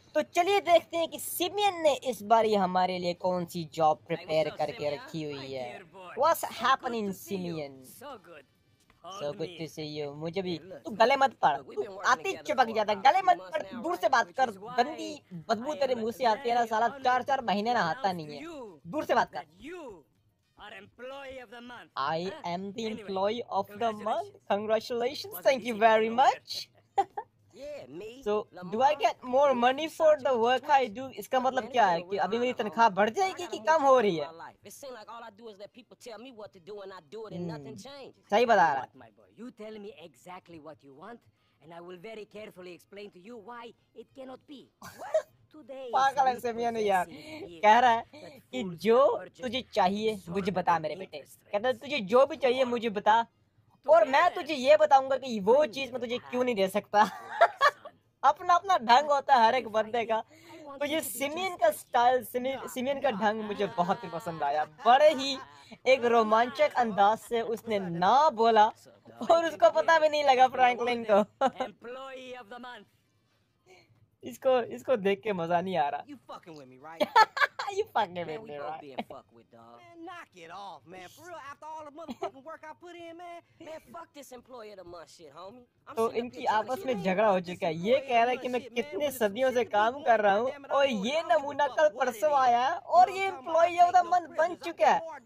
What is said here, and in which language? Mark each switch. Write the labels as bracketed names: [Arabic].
[Hindi] तो चलिए देखते हैं कि सिमियन ने इस बार हमारे लिए कौन सी जॉब प्रिपेयर करके रखी हुई है। [English] What's happening सिमियन, so good to see you. [Hindi] मुझे भी, तू गले मत पड़, तू आते चिपक जाता, गले मत पड़, दूर से बात कर, गंदी बदबू तेरे मुंह से आती है ना साला, चार चार महीने नहाता नहीं है, दूर से बात कर। [English] I am the employee of the month. Congratulations. Thank you very much. So, do I get more money for the work I do? [Hindi] इसका मतलब क्या है कि अभी मेरी तनख्वाह बढ़ जाएगी कि कम हो रही है? सही बता रहा है। [English] You tell me exactly what you want and I will very carefully explain to you why it cannot be. [Hindi] पागल है सिमियन यार, कह रहा है कि जो तुझे चाहिए मुझे बता मेरे बेटे, कहता है तुझे जो भी चाहिए मुझे बता और मैं तुझे ये बताऊंगा कि वो चीज मैं तुझे क्यों नहीं दे सकता। अपना अपना ढंग होता है हर एक बंदे का, तो ये सिमियन का स्टाइल, सिमियन का ढंग मुझे बहुत ही पसंद आया। बड़े ही एक रोमांचक अंदाज से उसने ना बोला और उसको पता भी नहीं लगा फ्रैंकलिन को। इसको देख के मजा नहीं आ रहा। [English] You fucking with me, right? You fucking with me, right? Man, we both being fucked with, dog. Man, knock it off, man. For real, after all the motherfucking work I put in, man. Man, fuck this employee of the month shit, homie. [Hindi] तो इनकी आपस में झगड़ा हो चुका है। ये कह रहा है कि मैं कितने सदियों से काम कर रहा हूँ और ये नमूना कल परसों आया और ये [English] employee of the month [Hindi] बन चुका है।